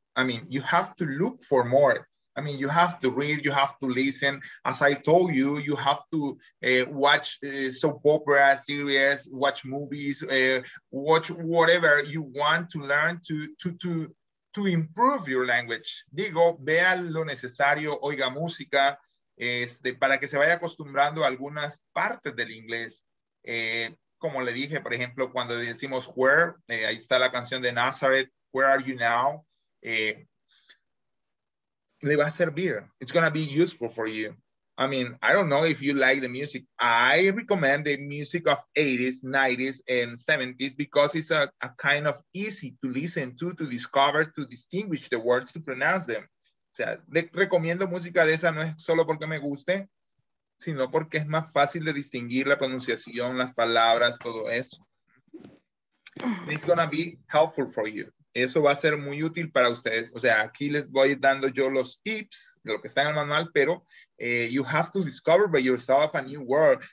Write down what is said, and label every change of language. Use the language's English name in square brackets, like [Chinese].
[English] I mean, you have to look for more. I mean, you have to read, you have to listen. As I told you, you have to watch soap opera series, watch movies, watch whatever you want to learn to improve your language. [Spanish] Digo, vea lo necesario, oiga música, para que se vaya acostumbrando a algunas partes del inglés. Como le dije, por ejemplo, cuando decimos where, ahí está la canción de Nazareth, [English] where are you now? [Spanish] le va a servir. [English] It's going to be useful for you. I mean, I don't know if you like the music. I recommend the music of 80s, 90s, and 70s because it's a kind of easy to listen to discover, to distinguish the words, to pronounce them. [Spanish] O sea, le recomiendo música de esa no es solo porque me guste, sino porque es más fácil de distinguir la pronunciación, las palabras, todo eso. [English] It's going to be helpful for you. [Spanish] Eso va a ser muy útil para ustedes. O sea, aquí les voy dando yo los tips de lo que está en el manual, pero [English] you have to discover by yourself a new word.